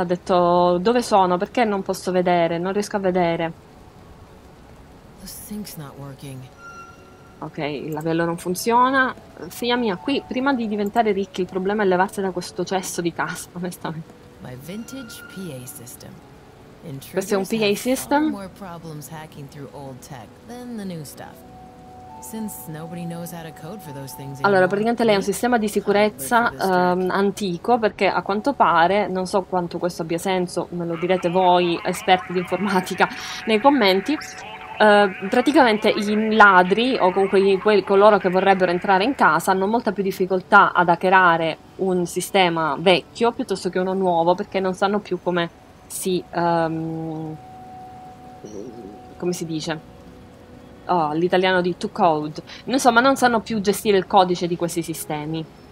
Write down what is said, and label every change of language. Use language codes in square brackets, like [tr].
[it] Ha detto: dove sono? Perché non posso vedere? Non riesco a vedere. [en] The sink's not working. [it] Ok, il lavello non funziona. Figlia mia, qui prima di diventare ricchi il problema è levarsi da questo cesso di casa, onestamente. [en] My vintage PA system. [it] Questo è un PA system? [en] More problems hacking through old tech than the new stuff. Since nobody knows how to code for those things. [it] Allora, praticamente lei ha un sistema di sicurezza antico, perché a quanto pare, non so quanto questo abbia senso, me lo direte voi esperti di informatica nei commenti. Praticamente i ladri o comunque coloro che vorrebbero entrare in casa hanno molta più difficoltà ad hackerare un sistema vecchio piuttosto che uno nuovo, perché non sanno più come si come si dice, oh, l'italiano di [en] to code, [it] insomma non sanno più gestire il codice di questi sistemi.